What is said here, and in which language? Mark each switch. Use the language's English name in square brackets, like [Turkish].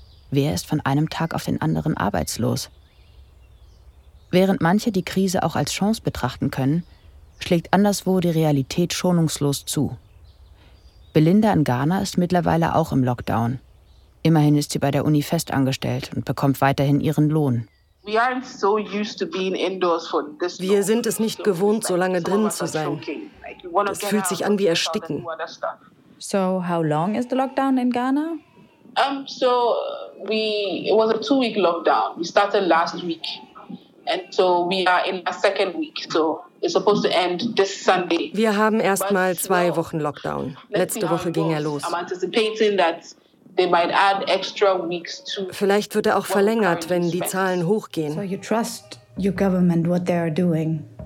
[German] Wer ist von einem Tag auf den anderen arbeitslos? Während manche die Krise auch als Chance betrachten können, schlägt anderswo die Realität schonungslos zu. Belinda in Ghana ist mittlerweile auch im Lockdown. Immerhin ist sie bei der Uni festangestellt und bekommt weiterhin ihren Lohn. Wir sind es nicht gewohnt, so lange drin zu sein. Es fühlt sich an wie Ersticken. [English] So, how long is the lockdown in Ghana? It was a 2-week lockdown. We started last week. And so we are in a second week. So it's supposed to end this Sunday. [German] Wir haben erst mal 2 Wochen Lockdown. Letzte Woche ging er los. [English] I'm anticipating that they might add extra weeks to. [German] Vielleicht wird er auch verlängert, wenn die Zahlen hochgehen. [English] So you trust your government, what they are doing?